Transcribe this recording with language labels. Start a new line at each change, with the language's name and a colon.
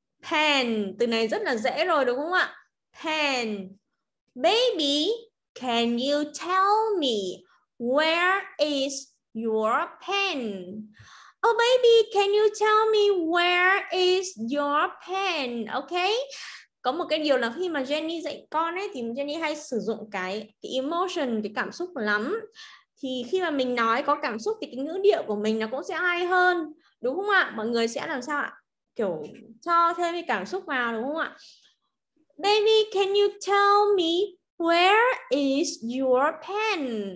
Vietnamese: Pen. Từ này rất là dễ rồi đúng không ạ?
English: Pen. Baby, can you tell me where is your pen? Oh baby, can you tell me where is your pen? Okay.
Vietnamese: Có một cái điều là khi mà Jenny dạy con ấy, thì Jenny hay sử dụng cái emotion, cái cảm xúc lắm. Thì khi mà mình nói có cảm xúc thì cái ngữ điệu của mình nó cũng sẽ hay hơn, đúng không ạ? Mọi người sẽ làm sao ạ? Kiểu cho thêm cái cảm xúc vào, đúng không ạ?
English: Baby, can you tell me where is your pen?